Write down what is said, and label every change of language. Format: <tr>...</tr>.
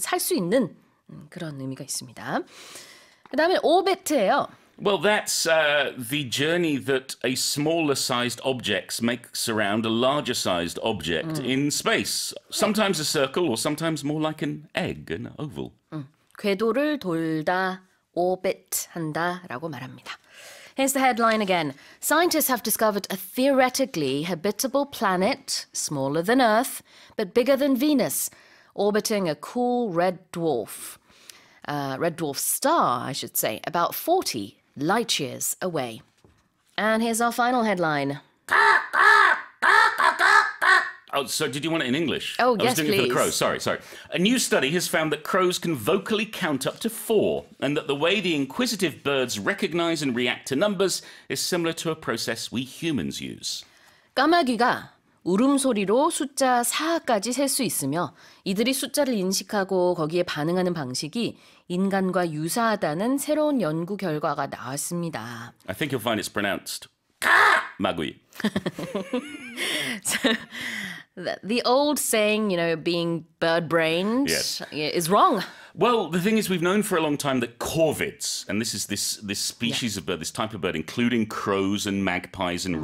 <ko>살 수 있는 그런 의미가 있습니다. 그 다음에 orbit예요.</ko> <en>Well, that's the journey that a smaller-sized object makes around a larger-sized object in space. Sometimes a circle, or sometimes more like an egg, an oval.</en> <ko>궤도를 돌다, orbit한다라고 말합니다.</ko> <en>Here's the headline again. Scientists have discovered a theoretically habitable planet, smaller than Earth, but bigger than Venus, orbiting a cool red dwarf star, I should say, about 40 light years away. And here's our final headline. Oh, so did you want it in English? Oh, yes, please. I was doing it for the crows. Sorry. A new study has found that crows can vocally count up to 4, and that the way the inquisitive birds recognize and react to numbers is similar to a process we humans use.</en> <ko>까마귀가 울음소리로 숫자 4까지 셀 수 있으며 이들이 숫자를 인식하고 거기에 반응하는 방식이 인간과 유사하다는 새로운 연구 결과가 나왔습니다.</ko> <en>I think you'll find it's pronounced 마귀. So, the old saying, you know, being bird-brained yes. is wrong. Well, the thing is, we've known for a long time that corvids, and this is this species yeah. of bird, this type of bird, including crows and magpies and mm-hmm.</en>